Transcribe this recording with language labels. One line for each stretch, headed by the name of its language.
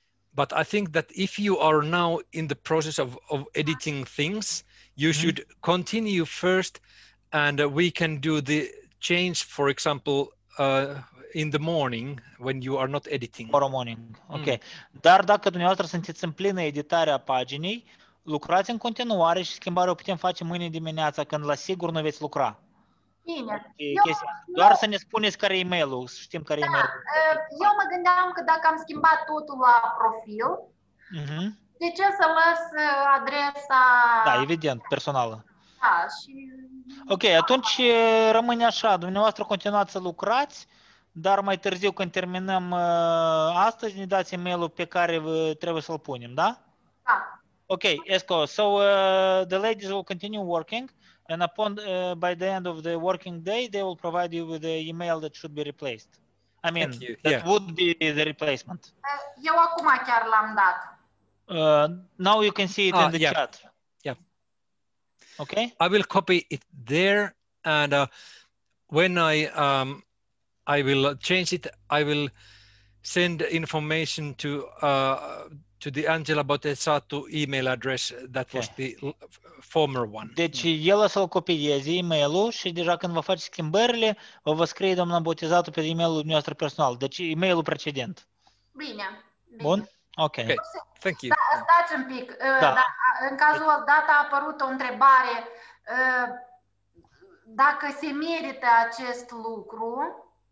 Romanian: But I think that if you are now in the process of editing things, you should continue first, and we can do the change, for example, in the morning when you are not editing. Tomorrow morning. Okay. Dar dacă dumneavoastră sunteți în plină editare a paginii, lucrați în continuare și schimbarea o putem face mâine dimineața când la sigur nu veți lucra. Bine. Doar să ne spuneți care e e-mailul, să știm care e e-mailul. Eu mă gândeam că dacă am schimbat totul la profil, de ce să las adresa... Da, evident, personală. Da, și... Ok, atunci rămâne așa, dumneavoastră continuați să lucrați, dar mai târziu când terminăm astăzi, ne dați e-mailul pe care trebuie să-l punem, da? Da.
English: Ok, Esco, so the ladies will continue working. And upon by the end of the working day, they will provide you with the email that should be replaced. I mean, that would be the replacement.
Romanian: Eu acum chiar l-am dat.
English: Now you can see it in the chat. Yeah. Okay. I will copy it there, and when I will change it, I will send information to the Angela Botezatu email address that was the former one.
Romanian: Deci el o să-l copieze e-mailul și deja când vă faceți schimbările, vă scrie doamna Botezatu pe e-mailul dumneavoastră personal. Deci e-mailul precedent. Bine. Bun? Ok.
English: Thank you.
Romanian: Stați un pic. Da. În cazul dat a apărut o întrebare. Dacă se merită acest lucru.